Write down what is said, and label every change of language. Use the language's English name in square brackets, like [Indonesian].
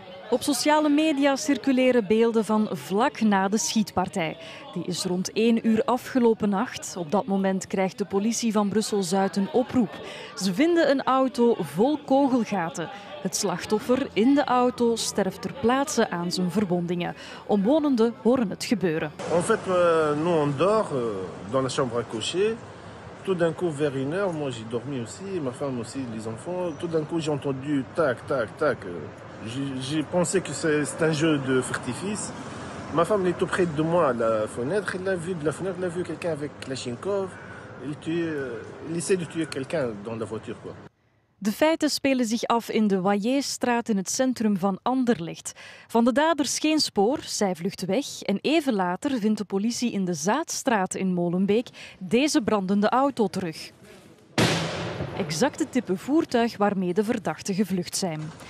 [Dutch] Op sociale media circuleren beelden van vlak na de schietpartij. Die is rond 1 uur afgelopen nacht. Op dat moment krijgt de politie van Brussel-Zuid een oproep. Ze vinden een auto vol kogelgaten. Het slachtoffer in de auto sterft ter plaatse aan zijn verwondingen. Omwonenden horen het gebeuren. [French] En fait, nous on dort dans la chambre à coucher. Tout d'un coup vers 1 heure, moi j'ai dormi aussi, ma femme aussi, les enfants. Tout d'un coup j'ai entendu tac tac tac. J'ai pensé que c'est un jeu de furtifice. Ma femme est tout près de moi à la fenêtre. Elle a vu de la fenêtre, elle a vu quelqu'un avec Kalachnikov. Il essaie de tuer quelqu'un dans la voiture, quoi. [Dutch] De feiten spelen zich af in de Wayeestraat in het centrum van Anderlecht. Van de daders geen spoor, zij vlucht weg. En even later vindt de politie in de Zaadstraat in Molenbeek deze brandende auto terug. Exact het type voertuig waarmee de verdachten gevlucht zijn.